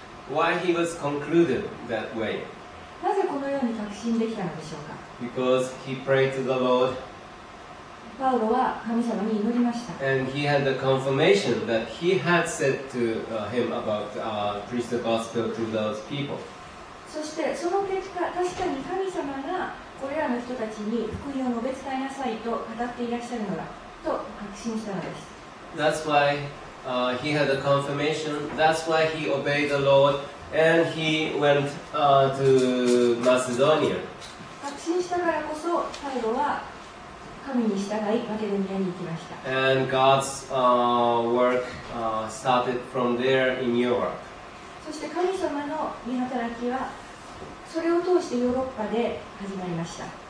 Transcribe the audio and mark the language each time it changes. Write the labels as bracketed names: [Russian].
[English] Why he was concluded that way? [Japanese] なぜこのように確信できたのでしょうか? [English] Because he prayed to the Lord. [Japanese] パウロは神様に祈りました。 [English] And he had the confirmation that he had said to him about preach the gospel to those people. [Japanese] そしてその結果、確かに神様がこれらの人たちに福音を述べ伝えなさいと語っていらっしゃるのだと確信したのです。 [English] That's why he had a confirmation. That's why he obeyed the Lord and he went to Macedonia. [Japanese] 確信したからこそ、最後は神に従い、マケドニアに行きました。 [English] And God's work started from there in Europe. [Japanese] そして神様の御働きは、それを通してヨーロッパで始まりました。